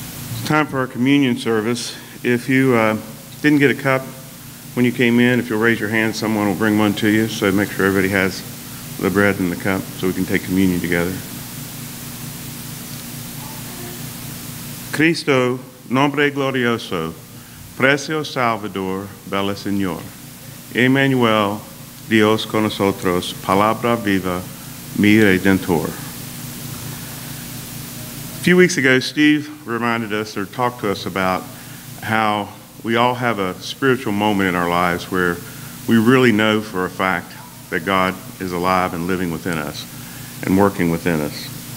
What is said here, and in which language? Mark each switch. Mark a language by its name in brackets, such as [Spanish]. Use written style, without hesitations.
[English] It's time for our communion service. If you didn't get a cup when you came in, if you'll raise your hand, someone will bring one to you. So make sure everybody has the bread and the cup so we can take communion together. [Spanish] Cristo, nombre glorioso, precio salvador, bella señor. Emmanuel, Dios con nosotros, palabra viva, mi redentor. [English] A few weeks ago, Steve reminded us or talked to us about how we all have a spiritual moment in our lives where we really know for a fact that God is alive and living within us and working within us.